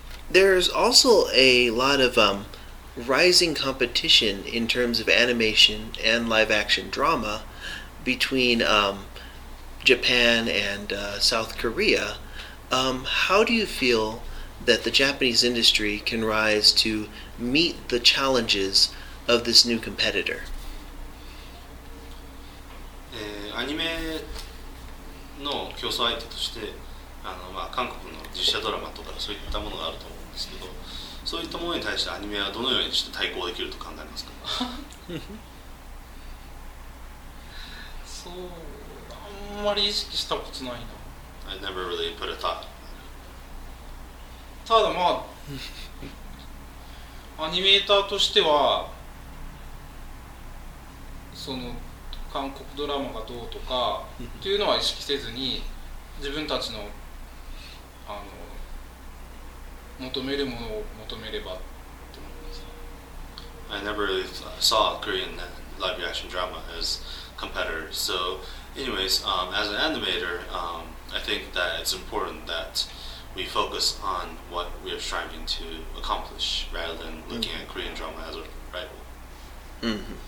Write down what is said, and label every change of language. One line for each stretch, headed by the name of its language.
English: There's also a lot of rising competition in terms of animation and live action drama between Japan and South Korea. How do you feel that the Japanese industry can rise to meet the challenges of this new competitor?
Japanese: アニメの競争相手として、まあ、韓国の実写ドラマとかそういったものがあると思うんですけど、そういったものに対してアニメはどのようにして対抗できると考えますか？そう、あんまり意識したことないな。
English: I never really put a thought.
Japanese: ただまあアニメーターとしてはその韓国ドラマがどうとかっていうのは意識せずに、自分たちの求めるものを求めればって思います。
English: I never really saw Korean live action drama as competitor, so Anyways, as an animator, I think that it's important that we focus on what we are striving to accomplish rather than looking at Korean drama as a rival.